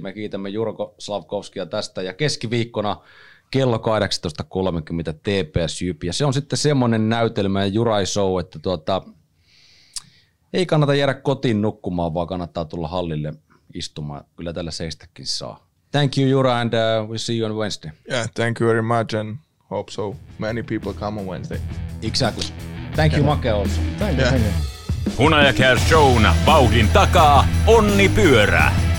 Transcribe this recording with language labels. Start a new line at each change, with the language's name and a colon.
Finnish: Me kiitämme Jurko Slavkovskia tästä ja keskiviikkona kello 18.30 TPS Jyp. Ja se on sitten semmoinen näytelmä ja Jurai-show, että ei kannata jäädä kotiin nukkumaan, vaan kannattaa tulla hallille istumaan. Kyllä tällä seistäkin saa.
English: Thank you, Jura, and we see you on Wednesday. Yeah, thank you very much, and hope so many people come on Wednesday. Exactly. Thank you, Make, also. Thank you.
Finnish: Hunajakäs-shown vauhdin takaa onnipyörä.